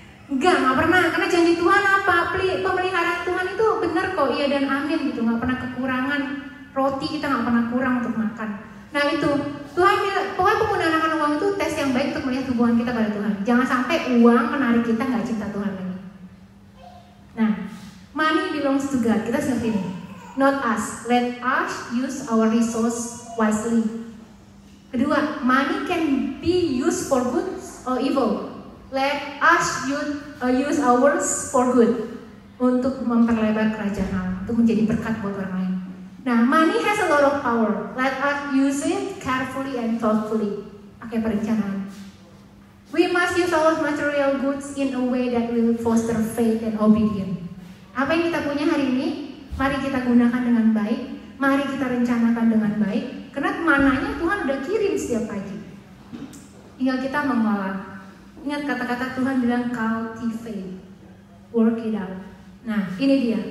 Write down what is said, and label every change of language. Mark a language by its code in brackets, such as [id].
[id] Nggak pernah, karena janji Tuhan apa? Pemeliharaan Tuhan itu benar kok, iya dan amin gitu. Nggak pernah kekurangan roti, kita nggak pernah kurang untuk makan. Nah itu, Tuhan, pokoknya penggunaan uang itu tes yang baik untuk melihat hubungan kita pada Tuhan. Jangan sampai uang menarik kita nggak cinta Tuhan lagi. [en] Nah, money belongs to God, [id] kita seperti ini. [en] Not us, let us use our resource wisely. [id] Kedua, [en] money can be used for good or evil. Let us use ours for good, [id] untuk memperlebar kerajaan Allah, untuk menjadi berkat buat orang lain. [en] Nah, money has a lot of power. Let us use it carefully and thoughtfully. [id] Pakai perencanaan. [en] We must use our material goods in a way that will foster faith and obedience. [id] Apa yang kita punya hari ini, mari kita gunakan dengan baik. Mari kita rencanakan dengan baik. Karena mananya Tuhan udah kirim setiap pagi. Tinggal kita mengelola. Ingat kata-kata Tuhan bilang, [en] cultivate, work it out. [id] Nah, ini dia.